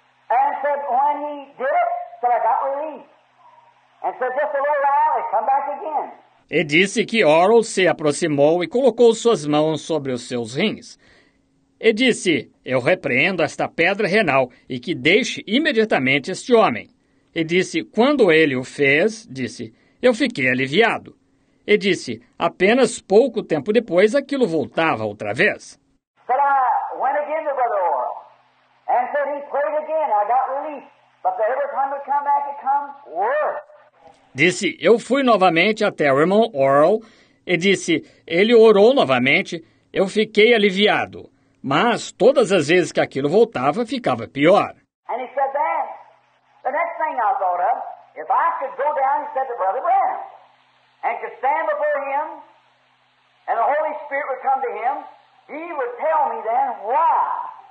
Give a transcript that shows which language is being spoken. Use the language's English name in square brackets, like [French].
[English] And said, when he did it, said, I got relieved. And said, just a little while, come back again. [Portuguese] E disse que Orol se aproximou e colocou suas mãos sobre os seus rins. E disse, eu repreendo esta pedra renal e que deixe imediatamente este homem. E disse, quando ele o fez, disse, eu fiquei aliviado. E disse, apenas pouco tempo depois, aquilo voltava outra vez. [English] Said, I went again to Brother Orol. And said he prayed again, I got relief. But the every time it come back, it come worse. [Portuguese] Disse, eu fui novamente até o irmão Orol, e disse, ele orou novamente, eu fiquei aliviado. Mas todas as vezes que aquilo voltava, ficava pior. [English] And he said that. The next thing I thought of, if I could go down, he said to Brother Branham, and could stand before him, and the Holy Spirit would come to him, he would tell me then why.